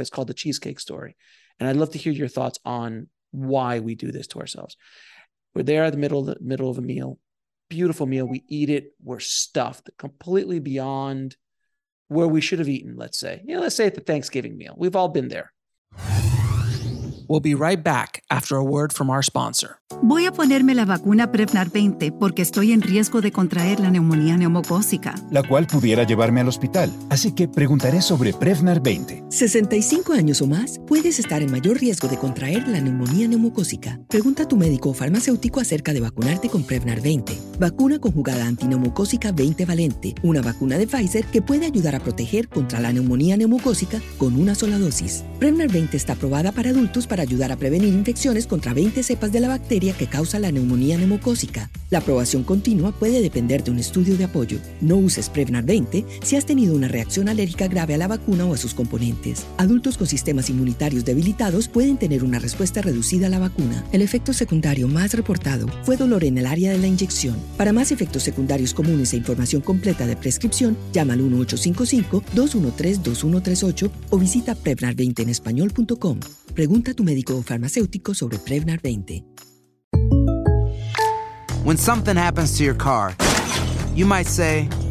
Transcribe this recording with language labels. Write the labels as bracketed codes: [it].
[en] It's called the cheesecake story. And I'd love to hear your thoughts on why we do this to ourselves. We're there at the middle of a meal, beautiful meal. We eat it. We're stuffed completely beyond where we should have eaten, let's say. Let's say at the Thanksgiving meal. We've all been there. We'll be right back after a word from our sponsor. [es] Voy a ponerme la vacuna Prevnar 20 porque estoy en riesgo de contraer la neumonía neumocócica, la cual pudiera llevarme al hospital. Así que preguntaré sobre Prevnar 20. 65 años o más, puedes estar en mayor riesgo de contraer la neumonía neumocócica. Pregunta a tu médico o farmacéutico acerca de vacunarte con Prevnar 20. Vacuna conjugada antineumocócica 20 valente. Una vacuna de Pfizer que puede ayudar a proteger contra la neumonía neumocócica con una sola dosis. Prevnar 20 está aprobada para adultos para ayudar a prevenir infecciones contra 20 cepas de la bacteria que causa la neumonía neumocócica. La aprobación continua puede depender de un estudio de apoyo. No uses Prevnar 20 si has tenido una reacción alérgica grave a la vacuna o a sus componentes. Adultos con sistemas inmunitarios debilitados pueden tener una respuesta reducida a la vacuna. El efecto secundario más reportado fue dolor en el área de la inyección. Para más efectos secundarios comunes e información completa de prescripción, llama al 1-855-213-2138 o visita Prevnar20enespañol.com. Pregunta a tu médico o farmacéutico sobre Prevnar 20. [en] When something happens to your car, you might say,